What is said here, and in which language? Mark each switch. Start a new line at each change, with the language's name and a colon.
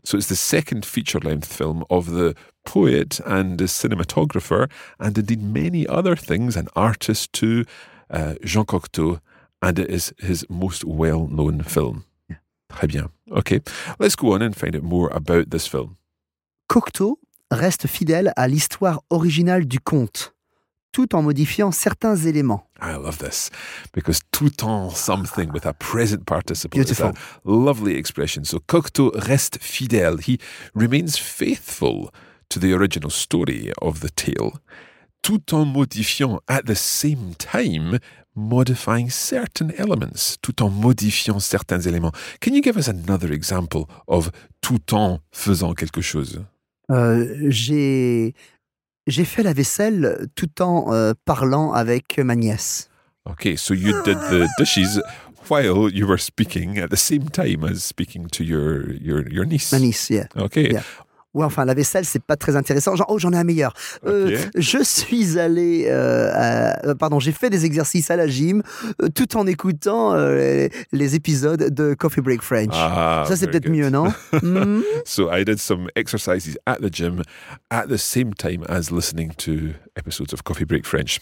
English: So, it's the second feature length film of the poet and the cinematographer and indeed many other things, an artist too, Jean Cocteau. And it is his most well-known film. Yeah.
French: Très bien. OK.
English: Let's go on and find out more about this film.
French: Cocteau reste fidèle à l'histoire originale du conte, tout en modifiant certains éléments.
English: I love this. Because tout en something with a present participle. Beautiful. It's a lovely expression. So Cocteau
French: reste fidèle.
English: He remains faithful to the original story of the tale,
French: tout en modifiant
English: at the same time... Modifying certain elements,
French: tout en modifiant certains éléments.
English: Can you give us another example of
French: tout en faisant quelque chose? J'ai fait la vaisselle tout en parlant avec ma nièce.
English: Okay, so you did the dishes while you were speaking at the same time as speaking to your niece.
French: Ma nièce,
English: yeah. Okay. Yeah.
French: Ouais, enfin, la vaisselle, c'est pas très intéressant. Genre, oh, j'en ai un meilleur. Je suis allé, j'ai fait des exercices à la gym tout en écoutant les épisodes de Coffee Break French. Ah, ça, c'est peut-être mieux, non?
English: So, I did some exercises at the gym at the same time as listening to episodes of Coffee Break French.